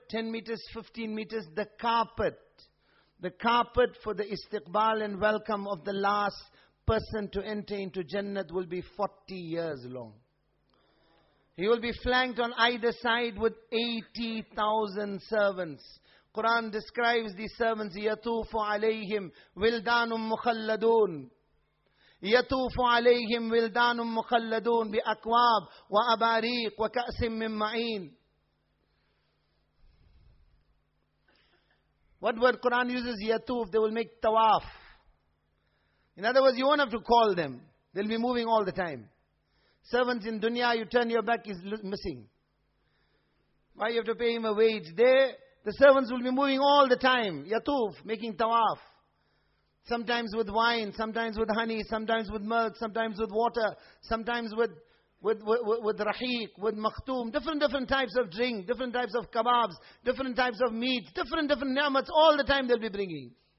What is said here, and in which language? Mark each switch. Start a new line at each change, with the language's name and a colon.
English: 10 meters, 15 meters. The carpet. The carpet for the istiqbal and welcome of the last person to enter into Jannat will be 40 years long. He will be flanked on either side with 80,000 servants. Quran describes these servants,
Arabic: يَتُوفُ عَلَيْهِمْ وِلْدَانٌ مُخَلَّدُونَ يَتُوفُ عَلَيْهِمْ وِلْدَانٌ مُخَلَّدُونَ بِأَكْوَابٍ وَأَبَارِيقٍ وَكَأْسٍ مِّن مَعِينٍ
English: What word Quran uses? Yatuf. They will make tawaf. In other words, you won't have to call them. They'll be moving all the time. Servants in dunya, you turn your back, is missing. Why you have to pay him a wage? There, the servants will be moving all the time. Yatuf, making tawaf. Sometimes with wine, sometimes with honey, sometimes with milk, sometimes with water, sometimes with rahiq, with makhtoum, different types of drink, different types of kebabs, different types of meat, different ni'mats, all the time they'll be bringing.